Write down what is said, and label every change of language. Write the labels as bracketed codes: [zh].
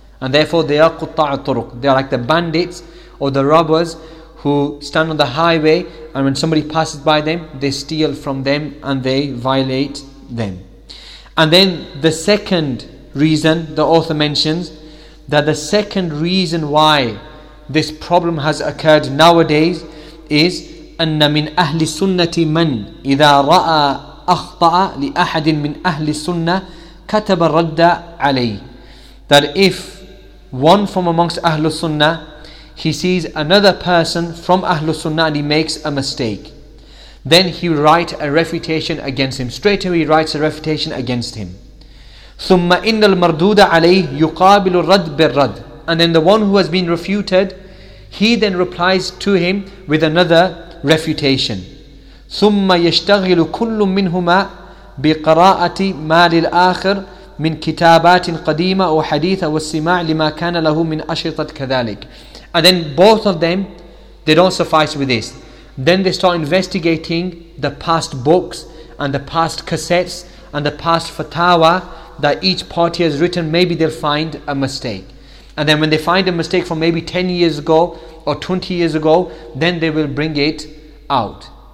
[en] And therefore they are Qutta' al-Turuq. They are like the bandits or the robbers who stand on the highway, and when somebody passes by them, they steal from them and they violate them. And then the second reason, the author mentions that the second reason why this problem has occurred nowadays is [ar] أَنَّ مِنْ أَهْلِ سُنَّةِ مَنْ إِذَا رَأَى أخطأ لأحد من أهل السنة كتب الرد علي. [en] That if one from amongst أهل السنة he sees another person from أهل السنة and he makes a mistake, then he write a refutation against him. Straight away he writes a refutation against him. [ar] ثم إن المردود عليه يقابل الرد بالرد. [en] And then the one who has been refuted, he then replies to him with another refutation. [ar] ثم يشتغل كل منهما بقراءة ما للآخر من كتابات قديمة أو حديث أو السماع لما كان له من أشرطة كذلك. [en] And then both of them, they don't suffice with this. Then they start investigating the past books and the past cassettes and the past fatawa that each party has written. Maybe they'll find a mistake. And then when they find a mistake from maybe 10 years ago or 20 years ago, then they will bring it out.